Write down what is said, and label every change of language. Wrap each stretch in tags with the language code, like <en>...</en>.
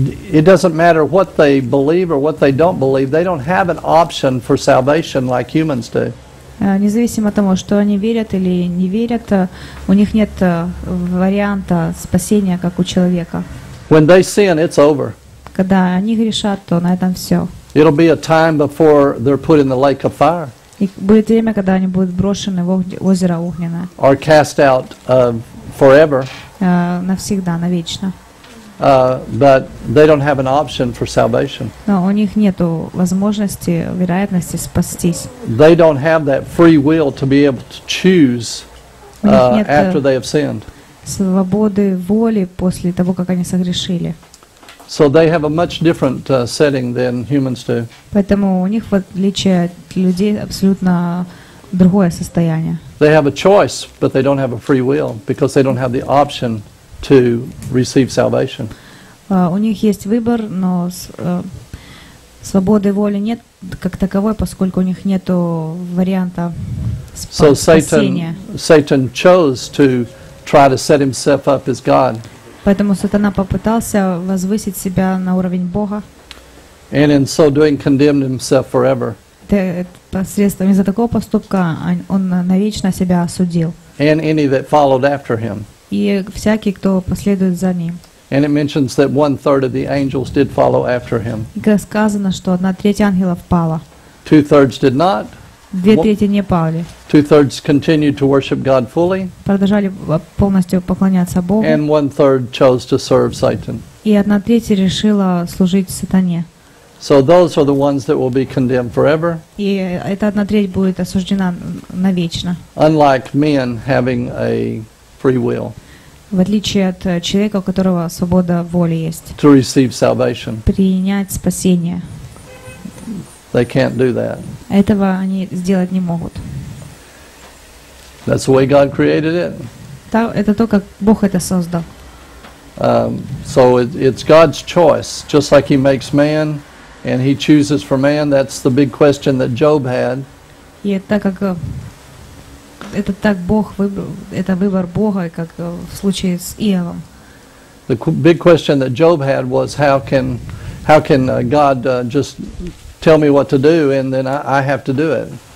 <en>It doesn't matter what they believe or what they don't believe. They don't have an option for salvation like humans do.</en> <ru>Независимо от того, что они верят или не верят, у них нет варианта спасения, как у человека.</ru> <en>When they sin, it's over.</en> <ru>Когда они грешат, то на этом все.</ru> <en>It'll be a time before they're put in the lake of fire.</en> <ru>И будет время, когда они будут брошены в озеро огненное.</ru> <en>Or cast out forever.</en> <ru>Навсегда, навечно.</ru> <en>But they don't have an option for salvation.</en> <ru>Но у них нету возможности, вероятности спастись.</ru> <en>They don't have that free will to be able to choose after they have sinned.</en> <ru>Свободы воли после того, как они согрешили.</ru> <en>So they have a much different setting than humans do.</en> <ru>Поэтому у них в отличие от людей абсолютно другое состояние.</ru> <en>They have a choice, but they don't have a free will because they don't have the option to receive salvation.</en> <ru>У них есть выбор, но свободы воли нет как таковой, поскольку у них нету варианта спасения.</ru> <en>So Satan chose to try to set himself up as God.</en> <ru>Поэтому сатана попытался возвысить себя на уровень Бога.</ru> <en>And in so doing condemned himself forever.</en> <ru>Посредством из-за такого поступка он навечно себя осудил.</ru> <en>And any that followed after him.</en> <ru>И всякий, кто последует за ним.</ru> <en>And it mentions that one third of the angels did follow after him.</en> <ru>Сказано, что одна треть ангелов пала.</ru> <en>Two thirds did not.</en> <ru>Две трети не пали.</ru> <en>Two thirds continued to worship God fully.</en> <ru>Продолжали полностью поклоняться Богу.</ru> <en>And one third chose to serve Satan.</en> <ru>И одна треть решила служить сатане.</ru> <en>So those are the ones that will be condemned forever.</en> <ru>И эта одна треть будет осуждена навечно.</ru> <en>Unlike men having a free will.</en> <ru>В отличие от человека, у которого свобода воли есть.</ru> <en>To receive salvation.</en> <ru>Принять спасение.</ru> <en>They can't do that.</en> <ru>Этого они сделать не могут.</ru> <en>That's the way God created it.</en> <ru>Это то, как Бог это создал.</ru> <en>So it's God's choice, just like He makes man, and He chooses for man. That's the big question that Job had.</en> <ru>И так как это так Бог выбрал, это выбор Бога, как в случае с Иовом.</ru> <en>the big question that Job had was, how can God just tell me what to do and then I have to do it?</en>